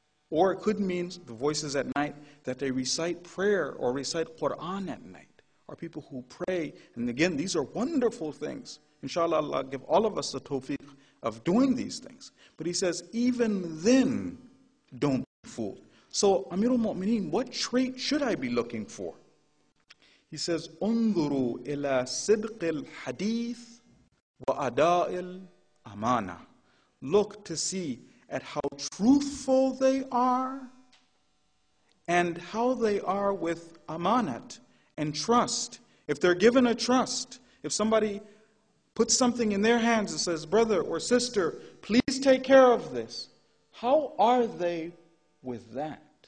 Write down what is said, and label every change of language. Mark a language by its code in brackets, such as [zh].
[en] Or it could mean the voices at night that they recite prayer or recite Quran at night. Or people who pray. And again, these are wonderful things. Inshallah, Allah give all of us the tawfiq of doing these things. But he says, even then, don't be fooled. So, Amirul Mu'mineen, what trait should I be looking for? He says, [ar] انظروا إلى صدق الحديث وأداء الأمانة. [en] Look to see at how truthful they are and how they are with amanat and trust. If they're given a trust, If somebody puts something in their hands and says, brother or sister, please take care of this, how are they with that?